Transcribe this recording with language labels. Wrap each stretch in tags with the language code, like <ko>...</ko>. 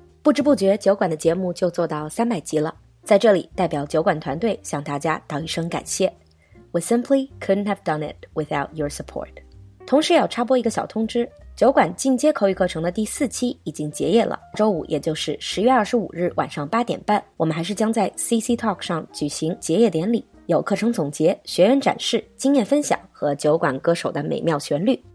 <zh>不知不觉酒馆的节目就做到300集了。在这里代表酒馆团队向大家道一声感谢。</zh> <en>We simply couldn't have done it without your support.</en> <zh>同时要插播一个小通知，酒馆进阶口语课程的第四期已经结业了。周五也就是10月25日晚上8点半，我们还是将在 CC Talk 上举行结业典礼，有课程总结、学员展示、经验分享和酒馆歌手的美妙旋律。</zh>